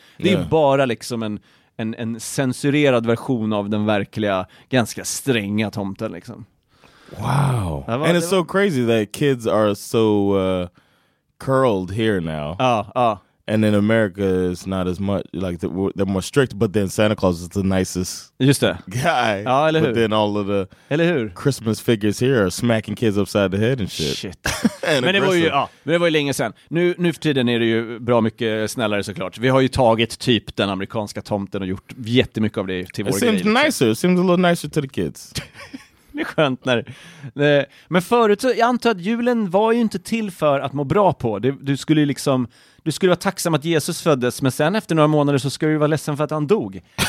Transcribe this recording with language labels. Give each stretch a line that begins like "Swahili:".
Swedish: Det är bara liksom en censurerad version av den verkliga ganska stränga tomten liksom.
English: Wow. It's so crazy that kids are so curled here now. And in America it's not as much like they're more strict, but then Santa Claus is the nicest.
Swedish: Just det.
English: Guy.
Swedish: Ja, eller hur?
English: But then all of the Christmas figures here are smacking kids upside the head and shit.
Swedish: Shit. Men det var ju länge sedan. Nu för tiden är det ju bra mycket snällare såklart. Vi har ju tagit typ den amerikanska tomten och gjort jättemycket av det till våra grejer.
English: It seems a little nicer to the kids.
Swedish: Det är skönt när... Men förut, jag antar att julen var ju inte till för att må bra på. Du skulle vara tacksam att Jesus föddes, men sen efter några månader så skulle du vara ledsen för att han dog.